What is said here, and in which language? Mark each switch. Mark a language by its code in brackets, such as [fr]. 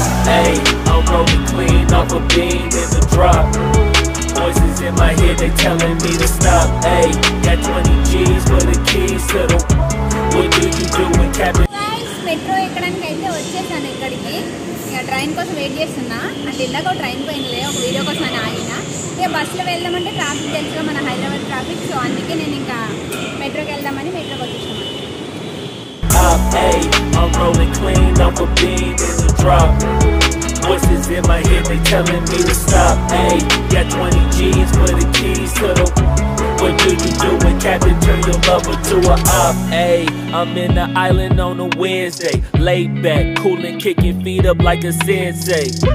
[en] I'm rolling clean off a bean in the drop. Voices in my head, they telling me to stop. Hey, got 20 G's for the keys to the. What do you do with Captain? [te] Metro ఎక్కడానికి అయితే వచ్చేసాను ఇక్కడికి. ఇక train కోసం wait చేస్తున్నా. అంటే ఇందాక ఒక ట్రైన్ పోయినలే ఒక వీడియో కోసం అని ఆయన. ఇక బస్సులో వెళ్దామంటే ట్రాఫిక్ తెలుసుగా మన హైదరాబాద్ ట్రాఫిక్. సో అందుకే నేను ఇంకా మెట్రోకి వెళ్దామని మెట్రోకి వచ్చేసాను. [en] I'm rolling clean off a beam in the drop. Voices in my head, they telling me to stop. Hey, got 20 G's for the keys to the. What do you do when Captain turn your lover to a op? Hey, I'm in the island on a Wednesday. Laid back, cooling, kicking feet up like a sensei.